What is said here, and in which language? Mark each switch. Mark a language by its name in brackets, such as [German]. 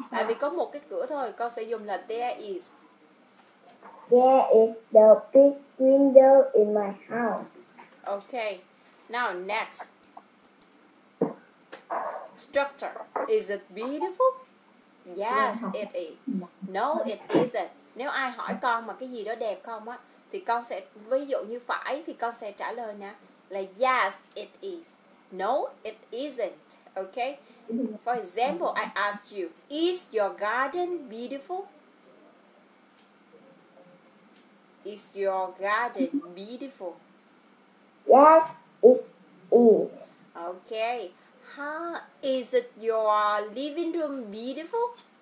[Vietnamese] Tại vì có một cái cửa thôi, con sẽ dùng là [English] there is. There is the big window in my house. Okay. Now, next. Structure. Is it beautiful? Yes, it is. No, it isn't. [Vietnamese] Nếu ai hỏi con mà cái gì đó đẹp không á, thì con sẽ, ví dụ như phải, thì con sẽ trả lời nè, là [English] yes, it is. No, it isn't. Okay? For example, I asked you, is your garden beautiful? Is your garden beautiful? Yes, it is. Okay. Is it your living room beautiful?